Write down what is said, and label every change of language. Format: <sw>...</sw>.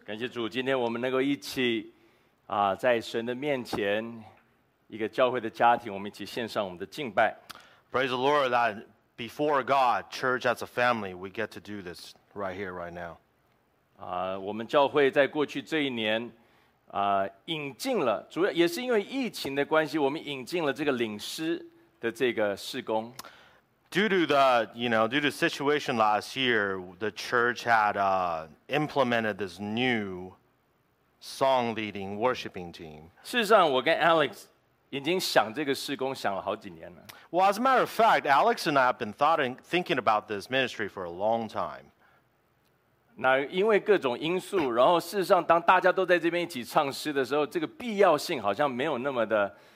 <zh>感谢主，今天我们能够一起啊，在神的面前，一个教会的家庭，我们一起献上我们的敬拜。</zh> <en>Praise the Lord that before God, church as a family, we get to do this right here, right now.</en> <zh>啊，我们教会在过去这一年啊，引进了，主要也是因为疫情的关系，我们引进了这个领师的这个事工。</zh> <en>Due to the, you know, due to the situation last year, the church had implemented this new song leading worshiping team.</en> <zh>事实上，我跟 Alex 已经想这个事工想了好几年了。</zh> <en>Well, as a matter of fact, Alex and I have been thinking about this ministry for a long time.</en> <zh>那因为各种因素，然后事实上，当大家都在这边一起唱诗的时候，这个必要性好像没有那么的。</zh>